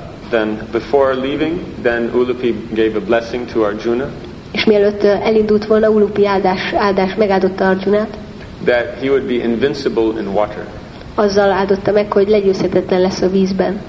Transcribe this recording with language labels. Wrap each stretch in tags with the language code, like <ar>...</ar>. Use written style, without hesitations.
<en>Then before leaving, then Ulupi gave a blessing to Arjuna.</en> <hu>És mielőtt elindult volna, Ulupi áldás megáldotta Arjunát.</hu> <en>That he would be invincible in water.</en> <hu>Azzal áldotta meg, hogy legyőzhetetlen lesz a vízben.</hu>